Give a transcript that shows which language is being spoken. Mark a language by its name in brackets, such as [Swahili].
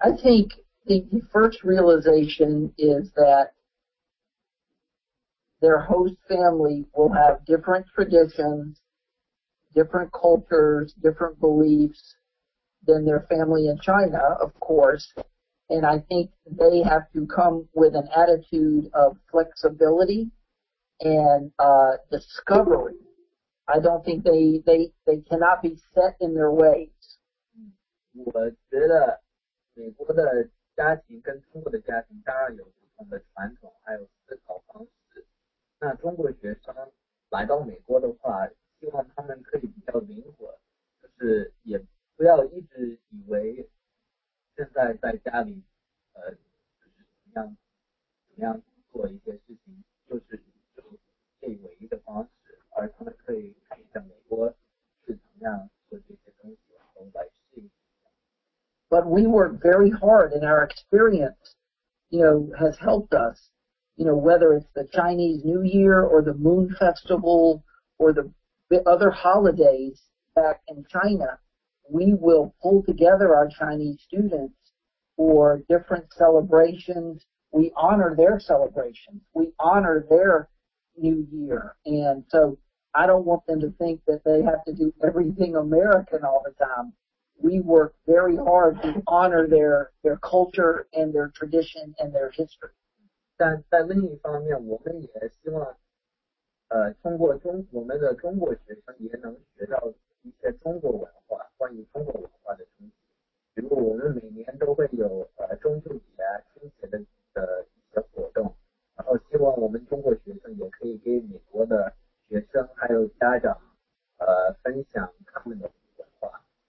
[English] I think the first realization is that their host family will have different traditions, different cultures, different beliefs than their family in China, of course. And I think they have to come with an attitude of flexibility and discovery. I don't think they cannot be set in their ways. [Chinese] 我觉得美国的家庭跟中国的家庭当然有不同的传统还有思考方式。那中国学生来到美国的话，希望他们可以比较灵活，就是也不要一直以为现在在家里就是怎么样做一些事情，就这唯一的方式，而他们可以看一下美国是怎么样做这些东西，然后来适应。 [English] But we work very hard, and our experience, you know, has helped us. You know, whether it's the Chinese New Year or the Moon Festival or the other holidays back in China. We will pull together our Chinese students for different celebrations. We honor their celebrations. We honor their New Year. And so I don't want them to think that they have to do everything American all the time. We work very hard to honor their culture and their tradition and their history. [Chinese] 但在另一方面，我们也希望，通过我们的中国学生也能学到一些中国文化，关于中国文化的东西。比如我们每年都会有中秋节啊、春节的一些活动，然后希望我们中国学生也可以给美国的学生还有家长分享他们的文化。